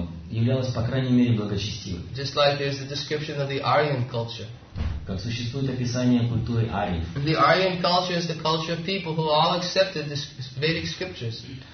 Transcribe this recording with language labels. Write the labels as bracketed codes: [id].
[ru] Являлась по крайней мере благочестивой. [en] Just like there's a description of the Aryan culture. [ru] Как существует описание культуры ариев. [en] The Aryan culture is the culture of people who all accepted the Vedic scriptures.